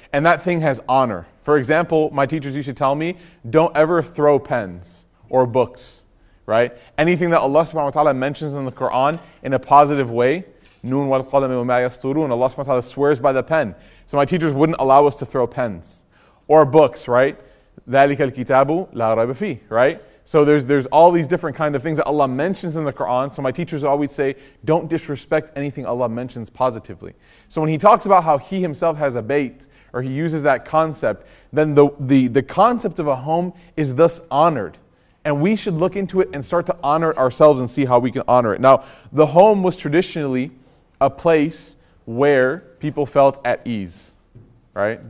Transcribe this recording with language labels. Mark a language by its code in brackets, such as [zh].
[en] And that thing has honor. For example, my teachers used to tell me, don't ever throw pens or books, right? Anything that Allah subhanahu wa ta'ala mentions in the Quran in a positive way, [ar] noon wal qalami wa ma yasturun, [en] Allah subhanahu wa ta'ala swears by the pen. So my teachers wouldn't allow us to throw pens or books, right? [ar] ذَلِكَ الْكِتَابُ لَا رَيْبَ فِيهِ, [en] right? So there's all these different kinds of things that Allah mentions in the Quran. So my teachers always say, don't disrespect anything Allah mentions positively. So when he talks about how he himself has a bait, or he uses that concept, then the concept of a home is thus honored. And we should look into it and start to honor it ourselves and see how we can honor it. Now, the home was traditionally a place where people felt at ease, right?